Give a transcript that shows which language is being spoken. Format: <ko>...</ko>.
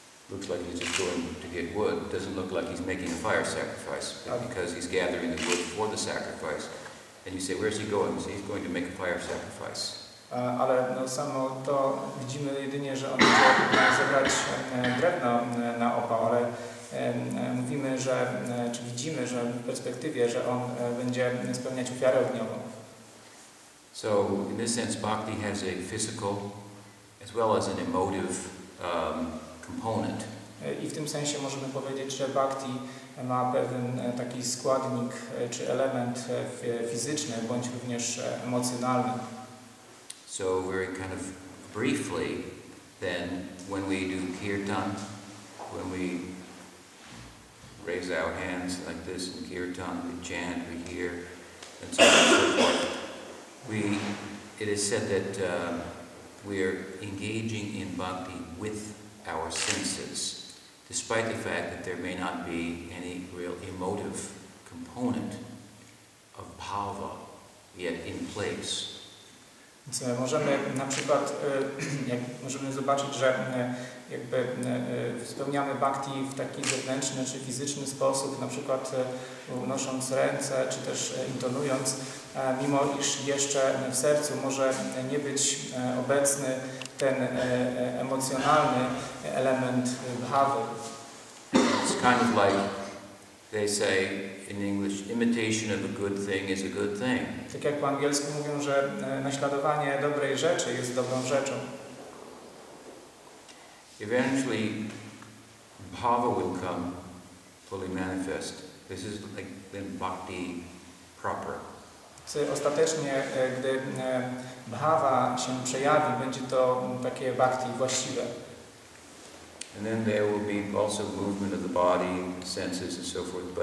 <en>Looks like he's just going to get wood. Doesn't look like he's making a fire sacrifice, because he's gathering the wood for the sacrifice. And you say, where is he going? So he's going to make a fire sacrifice.</en> <pl>Ale no, samo to widzimy jedynie, że on chce zebrać drewno na opał, ale mówimy, że, czy widzimy, że w perspektywie, że on będzie spełniać ofiarę ogniową.</pl> <en>So, in this sense, bhakti has a physical as well as an emotive component.</en> <pl>I w tym sensie możemy powiedzieć, że bhakti ma pewien taki składnik czy element fizyczny, bądź również emocjonalny.</pl> <en>So very kind of briefly, then when we do kirtan, when we raise our hands like this in kirtan, we chant, we hear, and so on and so forth, it is said that we are engaging in bhakti with our senses, despite the fact that there may not be any real emotive component of bhava yet in place.</en> <pl>Możemy na przykład możemy zobaczyć, że jakby spełniamy bhakti w taki zewnętrzny czy fizyczny sposób, na przykład unosząc ręce czy też intonując, mimo iż jeszcze w sercu może nie być obecny ten emocjonalny element bhawy.</pl> <en>It's kind of like They say in English, imitation of a good thing is a good thing.</en> <pl>Tak jak po angielsku mówią, że naśladowanie dobrej rzeczy jest dobrą rzeczą.</pl> <en>Eventually, bhava will come fully manifest. This is like then bhakti proper.</en> <pl>Ostatecznie, gdy bhava się przejawi, będzie to takie bhakti właściwe.</pl> <en>And then there will be also movement of the body, senses, and so forth.</en>